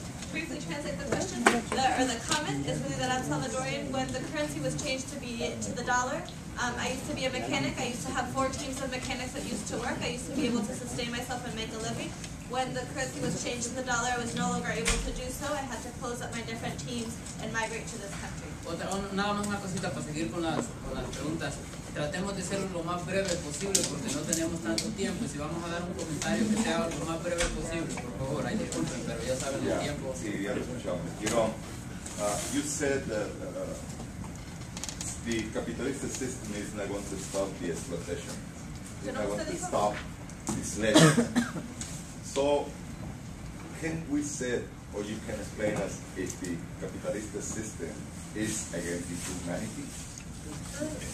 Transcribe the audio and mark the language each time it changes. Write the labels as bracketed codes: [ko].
[en] Briefly translate the question, the comment is really that I'm Salvadorian. When the currency was changed to the dollar, I used to be a mechanic. I used to have four teams of mechanics that used to work. I used to be able to sustain myself and make a living. When the currency was changed to the dollar, I was no longer able to do so. I had to close up my different teams and migrate to this country. [es] Nada más una cosita para seguir con las preguntas. Tratemos de ser lo más breve posible porque no tenemos tanto tiempo. Si vamos a dar un comentario, que sea lo más breve posible, por favor, ahí disculpen, pero ya saben el tiempo. Sí, ya lo escuchamos. [en] Jerome, you said that the capitalist system is not going to stop the exploitation. It's not going to stop the slave. So, can we say, or you can explain us, if the capitalist system is against humanity?